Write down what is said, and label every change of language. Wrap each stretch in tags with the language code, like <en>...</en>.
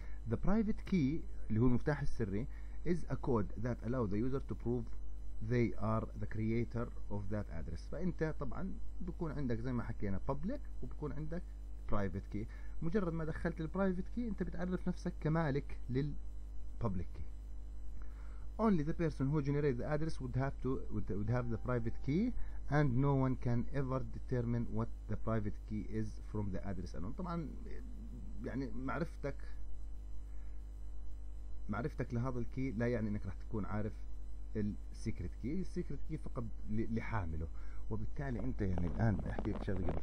<en>The private key</en> <ar>اللي هو المفتاح السري</ar> <en>is a code that allows the user to prove they are the creator of that address.</en> <ar>فأنت طبعا بكون عندك زي ما حكينا public وبكون عندك private key. مجرد ما دخلت ال private key انت بتعرف نفسك كمالك لل public key.</ar> <en>Only the person who generated the address would have the private key and no one can ever determine what the private key is from the address.</en> <ar>And طبعا يعني معرفتك لهذا الكي لا يعني انك راح تكون عارف السيكريت كي. السيكريت كي فقط لحامله. وبالتالي انت يعني الان احكي لك شغله.</ar>